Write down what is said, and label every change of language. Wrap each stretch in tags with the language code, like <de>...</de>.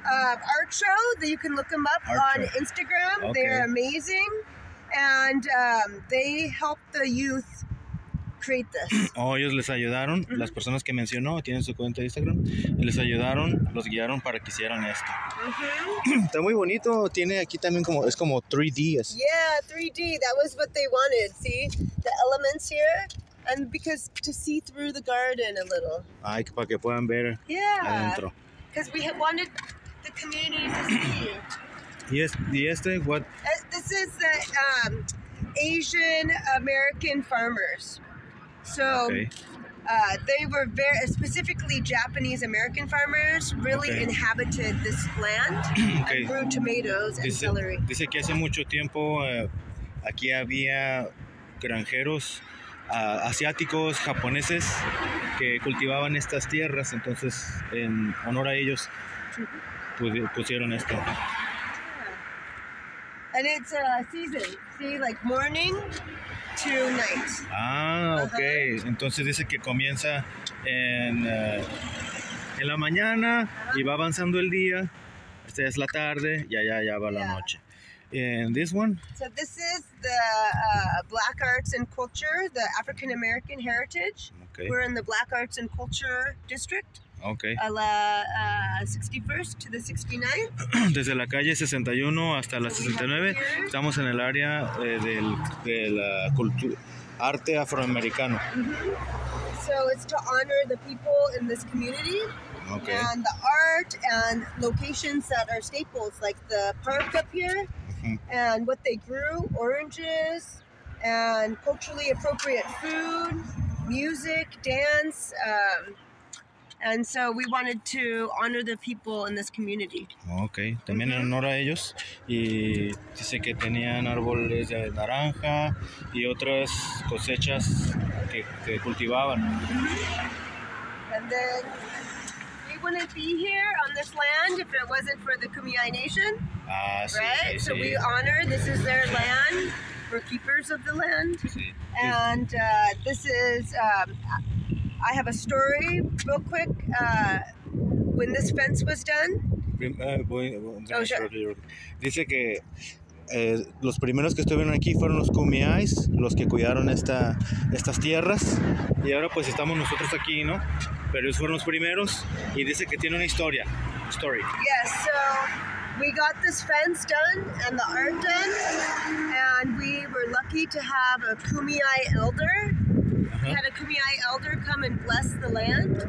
<en>Art show that you can look them up art on show. Instagram, okay. They're amazing, and they help the youth create this.</en> <es>Oh, ellos les ayudaron, mm-hmm. Las personas que mencionó tienen su cuenta de Instagram, y les ayudaron, los guiaron para que hicieran esto. Mm-hmm. Está muy bonito, tiene aquí también como, es como 3D. Es.</es> <en>Yeah, 3D, that was what they wanted, see? The elements here, and because to see through the garden a little.</en> <es>Ay, para que puedan ver</es> <en>yeah.</en> <es>Adentro.</es> <en>Because we have wanted the community to see.</en> <es>Y este, what?</es> <en>This is the Asian American farmers. So, okay. They were very specifically Japanese American farmers really okay. Inhabited this land okay. And grew tomatoes</en> <es>dice,</es> <en>and celery.</en> <es>Dice que hace mucho tiempo aquí había granjeros asiáticos, japoneses que cultivaban estas tierras. Entonces, en honor a ellos, pusieron esto.</es> <en>Yeah. And it's a season, see, like morning. Tonight. Ah, okay. Uh-huh.</en> <es>Entonces dice que comienza en la mañana uh-huh. Y va avanzando el día. Esta es la tarde y allá ya va</es> <en>yeah.</en> <es>La noche.</es> <en>And this one? So this is the Black Arts and Culture, the African American Heritage. Okay. We're in the Black Arts and Culture District. Okay.</en> <es>A la</es> <en>61st to the 69th.</en> <es>Desde la calle 61 hasta la 69, estamos en el área de la cultura, arte afroamericano. Mm-hmm.</es> <en>So it's to honor the people in this community. Okay. And the art and locations that are staples, like the park up here, mm-hmm. And what they grew, oranges, and culturally appropriate food, music, dance, and so we wanted to honor the people in this community.</en> <es>Okay, también en honor a ellos. Y dice que tenían árboles de naranja y otras cosechas que cultivaban.</es> <en>And then you wouldn't be here on this land if it wasn't for the Kumeyaay Nation.</en> <es>Ah, sí,</es> <en>right?</en> <es>Sí,</es> <en>so</en> <es>sí.</es> <en>We honor, this is their land. We're keepers of the land.</en> <es>Sí.</es> <en>And this is, I have a story real quick. When this fence was done.</en> <es>Dice que los primeros que estuvieron aquí fueron los Kumeyaays, los que cuidaron estas tierras. Y ahora pues estamos nosotros aquí, ¿no? Pero ellos fueron los primeros y dice que tiene una historia.</es> <en>Story. Yes, so we got this fence done and the art done. And we were lucky to have a Kumeyaay elder. We had a Kumeyaay elder come and bless the land.</en>